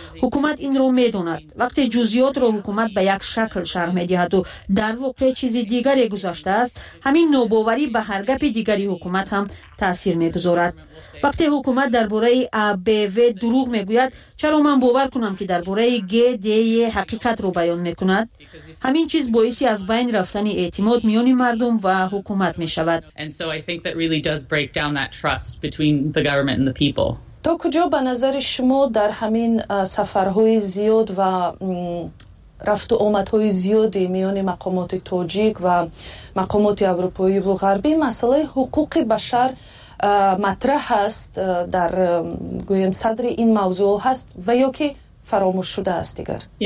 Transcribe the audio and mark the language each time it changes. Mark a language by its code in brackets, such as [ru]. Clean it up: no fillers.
[tg] حکومت این را می داند. وقتی جزئیات را حکومت به یک شکل شرح می دهد و در واقع چیزی دیگری گذاشته است، همین نوباوری به هر گپ دیگری حکومت هم تأثیر می گذارد. وقتی حکومت درباره ABV دروغ می گوید، چرا من باور کنم که درباره GDE حقیقت را بیان می کند؟ همین چیز باعث از بین رفتن اعتماد میان مردم و حکومت می شود. [en] break down that trust between the government and the people. [tg] تا تو کجا به نظر شما در همین سفرهای زیاد و رفت و آمدهای زیادی میان مقامات تاجیک و مقامات اروپایی و غربی مسئله حقوق بشر مطرح هست در گویم صدر این موضوع هست و یا که فراموش شده است دیگر؟